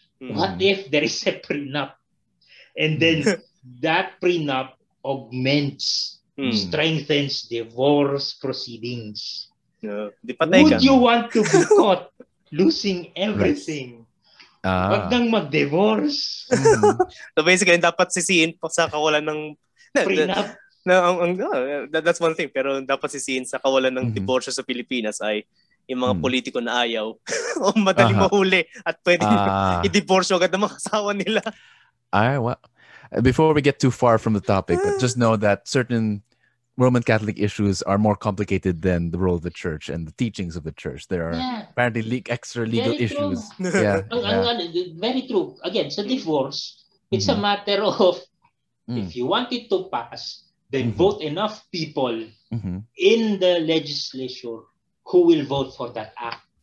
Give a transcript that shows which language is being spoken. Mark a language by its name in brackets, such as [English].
[English] What if there is a prenup? And then that prenup augments, strengthens divorce proceedings. Would you want to be caught losing everything? [Filipino] Wag nang mag-divorce. So basically, dapat sisihin sa kawalan ng [English] prenup. That's one thing. [Filipino] Pero dapat sisihin sa kawalan ng divorce sa Pilipinas ay yung mga politiko na ayaw o madali mahuli at pwede i-divorce agad ng mga asawa nila. [English] Ay, well, before we get too far from the topic, but just know that certain Roman Catholic issues are more complicated than the role of the church and the teachings of the church. There are apparently extra legal issues. Very true. Again, [Filipino] sa divorce, [English] it's a matter of if you want it to pass, then vote enough people in the legislature who will vote for that act.